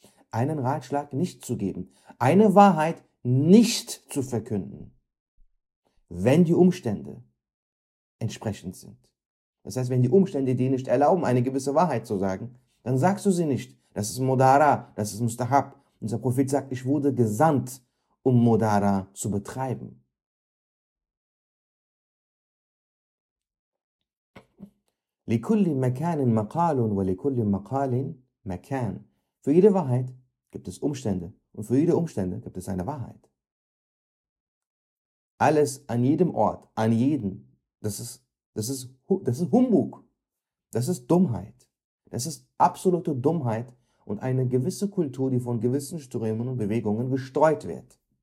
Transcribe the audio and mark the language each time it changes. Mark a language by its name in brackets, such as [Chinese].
[German] Einen Ratschlag nicht zu geben. Eine Wahrheit nicht zu verkünden, wenn die Umstände entsprechend sind. Das heißt, wenn die Umstände dir nicht erlauben, eine gewisse Wahrheit zu sagen, dann sagst du sie nicht. Das ist Mudara, das ist Mustahab. Unser Prophet sagt, ich wurde gesandt, um Mudara zu betreiben. [Arabic] لكل مكان مقال ولكل مقال مكان. [German] Für jede Wahrheit gibt es Umstände und für jede Umstände gibt es eine Wahrheit. Alles an jedem Ort, an jedem, das ist Humbug. Das ist Dummheit. Das ist absolute Dummheit. Und eine gewisse Kultur, die von gewissen Strömen und Bewegungen gestreut wird.